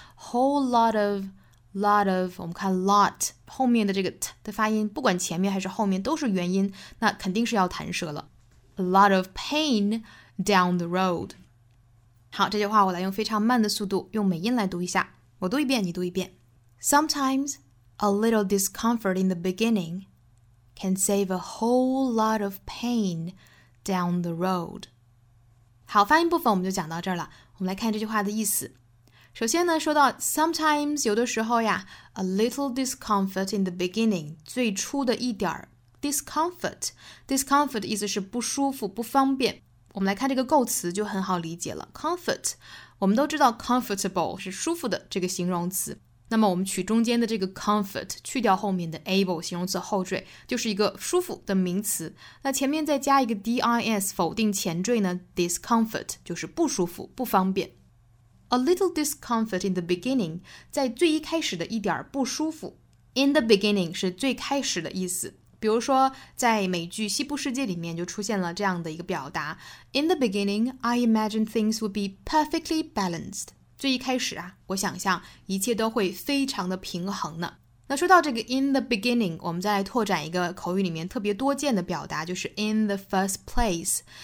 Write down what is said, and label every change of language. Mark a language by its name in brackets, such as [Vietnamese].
[English] Whole lot of, lot of, [Chinese] 我们看 lot, 后面的这个 T 的发音，不管前面还是后面都是元音，那肯定是要弹舌了。 [English] A lot of pain down the road. [Chinese] 好，这句话我来用非常慢的速度，用美音来读一下。我读一遍，你读一遍。 [English] Sometimes a little discomfort in the beginning. Can save a whole lot of pain down the road. [Chinese] 好，发音部分我们就讲到这儿了。我们来看这句话的意思。首先呢，说到 sometimes 有的时候呀 ， [English] a little discomfort in the beginning [Chinese] 最初的一点 discomfort 意思是不舒服、不方便。我们来看这个构词就很好理解了。Comfort， 我们都知道 comfortable 是舒服的这个形容词。那么我们取中间的这个 comfort， 去掉后面的 able 形容词后缀，就是一个舒服的名词。那前面再加一个 dis 否定前缀呢， discomfort 就是不舒服、不方便。 [English] A little discomfort in the beginning， [Chinese] 在最一开始的一点不舒服。 [English] In the beginning 是最开始的意思。比如说在美剧西部世界里面就出现了这样的一个表达， In the beginning I imagine things would be perfectly balanced。 [Chinese] 最一开始啊，我想象一切都会非常的平衡呢。那说到这个 in the beginning， 我们再来拓展一个口语里面特别多见的表达，就是 [English] in the first place。